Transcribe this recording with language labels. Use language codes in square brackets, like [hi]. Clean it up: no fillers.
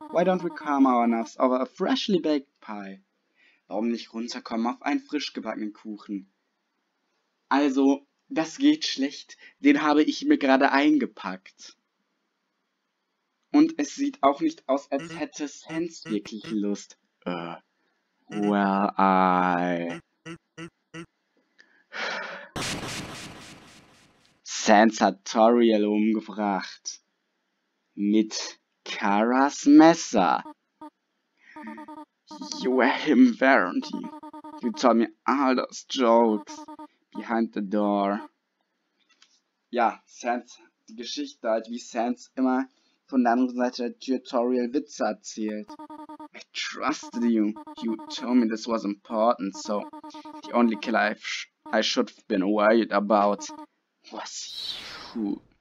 [en] Why don't we calm our nerves over a freshly baked pie? [de] Warum nicht runterkommen auf einen frisch gebackenen Kuchen? Also, das geht schlecht. Den habe ich mir gerade eingepackt. Und es sieht auch nicht aus, als hätte Sans wirklich Lust. [en] Well, I... [de] Sans hat Toriel umgebracht. Mit Karas Messer. [en] You were him, weren't you? You told me all those jokes. Behind the door. [de] Ja, [en] Sans. [de] Die Geschichte halt, wie Sans immer von der anderen Seite der Tür Toriel Witze erzählt. [en] I trusted you. You told me this was important, so the only killer I should have been worried about was you.